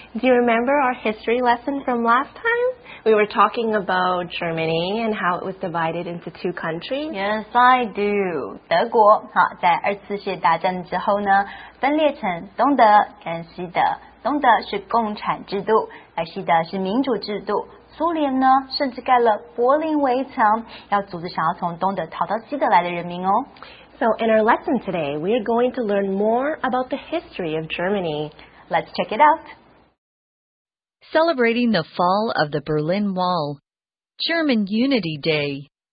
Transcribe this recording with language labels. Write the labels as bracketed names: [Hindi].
[English] Do you remember our history lesson from last time? We were talking about Germany and how it was divided into two countries. Yes, I do. [Chinese] 德国在二次世界大战之后呢，分裂成东德跟西德。东德是共产制度，而西德是民主制度。苏联呢，甚至盖了柏林围墙，要阻止想要从东德逃到西德来的人民哦。 [English] So in our lesson today, we are going to learn more about the history of Germany. Let's check it out. Celebrating the fall of the Berlin Wall, German Unity Day.